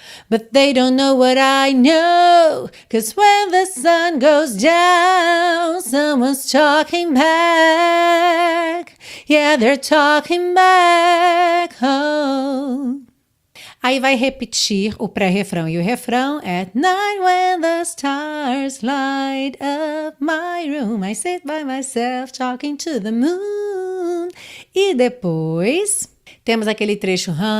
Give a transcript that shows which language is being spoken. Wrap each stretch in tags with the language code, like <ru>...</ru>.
<en>But they don't know what I know, cause when the sun goes down, someone's talking back, yeah, they're talking back home.</en> <pt>Aí vai repetir o pré-refrão e o refrão.</pt> <en>At night when the stars light up my room, I sit by myself talking to the moon.</en> <pt>E depois, temos aquele trecho.</pt>